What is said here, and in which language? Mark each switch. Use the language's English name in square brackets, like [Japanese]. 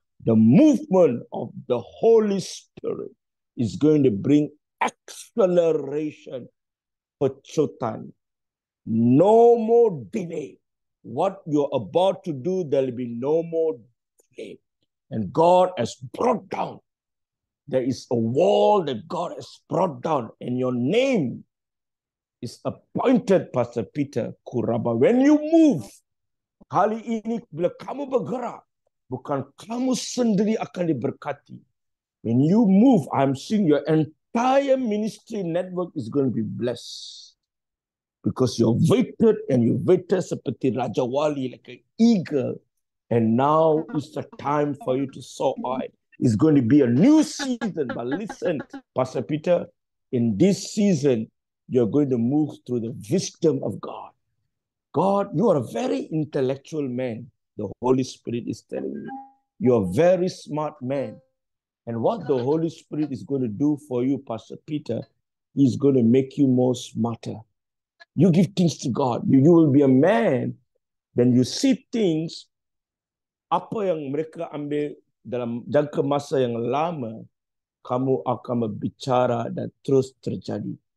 [English] The movement of the Holy Spirit is going to bring acceleration, pecutan. No more delay. What you're about to do, there'll be no more delay. And God has brought down. There is a wall that God has brought down. And your name is appointed, Pastor Peter Kuraba. When you move, [Malay] kali ini bila kamu bergerak, bukan kamu sendiri akan diberkati. [English] When you move, I'm seeing your entire ministry network is going to be blessed. Because you're waited and you waited [Malay] seperti Raja Wali, [English] like an eagle. And now is the time for you to soar high. It's going to be a new season. But listen, Pastor Peter, in this season, you're going to move through the wisdom of God. God, you are a very intellectual man. The Holy Spirit is telling you. You're a very smart man. And what the Holy Spirit is going to do for you, Pastor Peter, is going to make you more smarter. You give things to God. You will be a man. When you see things, [Malay] apa yang mereka ambil dalam jangka masa yang lama, kamu akan berbicara dan terus terjadi.